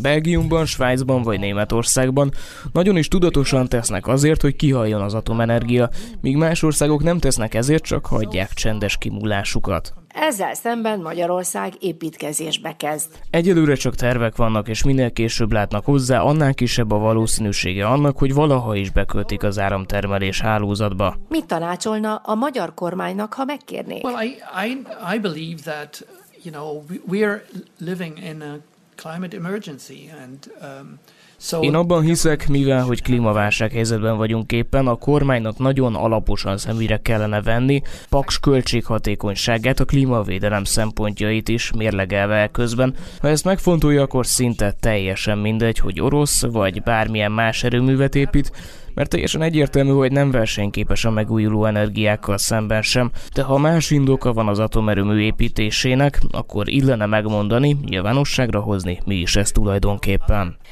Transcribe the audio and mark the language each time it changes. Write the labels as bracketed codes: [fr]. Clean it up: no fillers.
[hu] Belgiumban, Svájcban vagy Németországban nagyon is tudatosan tesznek azért, hogy kihaljon az atomenergia, míg más országok nem tesznek ezért, csak hagyják csendes kimulásukat. Ezzel szemben Magyarország építkezésbe kezd. Egyelőre csak tervek vannak, és minél később látnak hozzá, annál kisebb a valószínűsége annak, hogy valaha is bekötik az áramtermelés hálózatba. Mit tanácsolna a magyar kormánynak, ha megkérnék? [en] Well, I believe that, you know, we're living in a climate emergency and [hu] Én abban hiszek, mivel hogy klímaválság helyzetben vagyunk éppen, a kormánynak nagyon alaposan szemügyre kellene venni paks költséghatékonyságát, a klímavédelem szempontjait is mérlegelve közben. Ha ezt megfontolja, akkor szinte teljesen mindegy, hogy orosz vagy bármilyen más erőművet épít, mert teljesen egyértelmű, hogy nem versenyképes a megújuló energiákkal szemben sem, de ha más indoka van az atomerőmű építésének, akkor illene megmondani, nyilvánosságra hozni, mi is ez tulajdonképpen.